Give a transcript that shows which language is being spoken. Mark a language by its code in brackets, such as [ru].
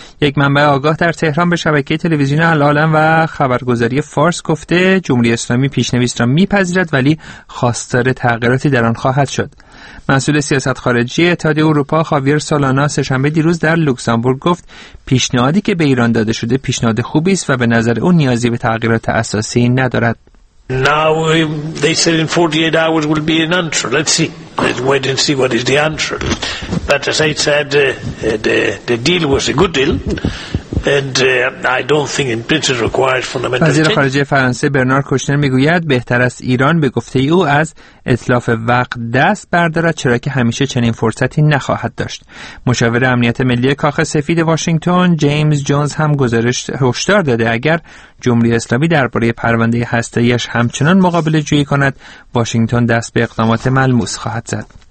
[fa] یک منبع آگاه در تهران به شبکه تلویزیون العالم و خبرگزاری فارس گفته جمهوری اسلامی پیشنویس را می‌پذیرد ولی خواستار تغییراتی در آن خواهد شد. مسئول سیاست خارجی اتحادیه اروپا خاویر سالانا سه‌شنبه دیروز در لوکزامبورگ گفت پیشنهادی که به ایران داده شده پیشنهاد خوبی است و به نظر او نیازی به تغییرات اساسی ندارد. [en] Now they said in 48 hours will be an answer. Let's see. Let's wait and see what is the answer. But as I said, the deal was a good deal. And I don't think in principle requires fundamental change. [fa] وزیر خارجه فرانسه برنارد کوشنر میگوید بهتر است ایران به گفته او از اتلاف وقت دست بردارد، چرا که همیشه چنین فرصتی نخواهد داشت. مشاور امنیت ملی کاخ سفید واشنگتن جیمز جونز هم گزارش هشدار داده اگر جمهوری اسلامی درباره پرونده هسته‌ایش همچنان مقابله جویی کند، واشنگتن دست به اقدامات ملموس خواهد زد.